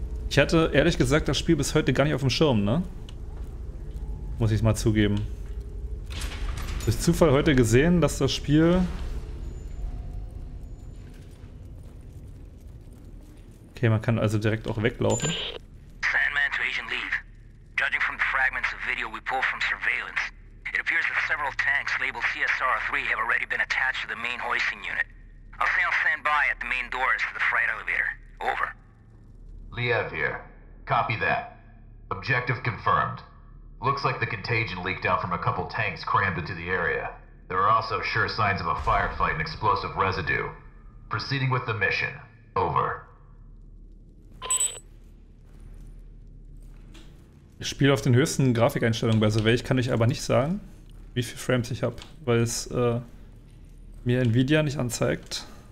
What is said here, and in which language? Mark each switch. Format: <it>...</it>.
<de>Ich hatte ehrlich gesagt das Spiel bis heute gar nicht auf dem Schirm, ne? Muss ich mal zugeben. Durch Zufall heute gesehen, dass das Spiel okay, man kann also direkt auch weglaufen.</de> <en>Sandman to Agent Leaf. Judging from the fragments of video we pulled from surveillance, it appears that several tanks labeled CSR-3 have already been attached to the main hoisting unit. I'll say I'll stand by at the main doors to the freight elevator. Over. Liev here. Copy that. Objective confirmed. Looks like the contagion leaked out from a couple tanks crammed into the area. There are also sure signs of a firefight and explosive residue. Proceeding with the mission. Over.</en> <de>Ich spiele auf den höchsten Grafikeinstellungen bei Survey. Ich kann euch aber nicht sagen, wie viele Frames ich habe, weil es mir Nvidia nicht anzeigt.</de>